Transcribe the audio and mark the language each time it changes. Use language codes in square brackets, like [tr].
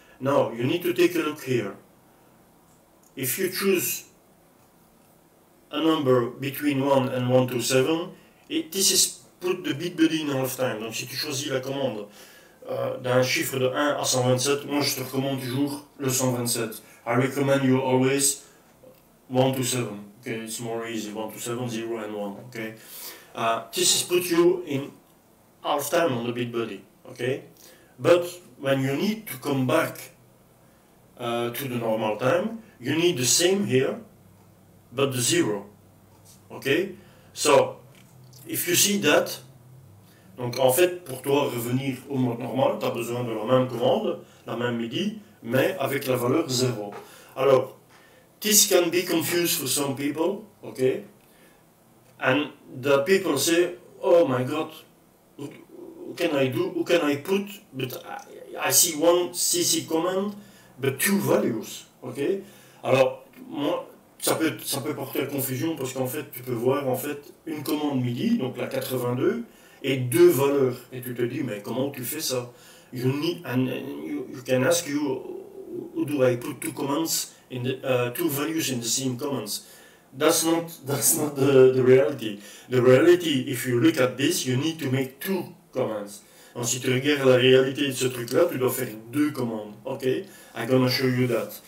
[en] Now, you need to take a look here. If you choose a number between 1 and 127, this is put the BeatBuddy in halftime. [fr] Donc, si tu choisis la commande d'un chiffre de 1 à 127, moi, je te recommande toujours le 127. [en] I recommend you always 1 to 7. Okay, it's more easy. 1 to 7, 0 and 1. Okay. This is put you in half time on the BeatBuddy. Okay. But when you need to come back to the normal time, you need the same here, but the 0. [fr] Okay. [en] So, if you see that, [fr] donc en fait, pour toi revenir au mode normal, tu as besoin de la même commande, la même MIDI, mais avec la valeur 0. [en] Alors, this can be confused for some people, ok? And the people say, oh my god, what can I put, but I see one CC command, but two values, ok? [fr] Alors, moi, ça peut porter à confusion, parce qu'en fait, tu peux voir en fait une commande MIDI, donc la 82, et deux valeurs. Et tu te dis, mais comment tu fais ça? [en] You need, and you can ask you, how do I put two commands in the two values in the same commands? That's not the reality. The reality, if you look at this, you need to make two commands. [fr] And si tu regardes la réalité de ce truc-là, tu dois faire deux commandes. [en] Okay? I'm gonna show you that.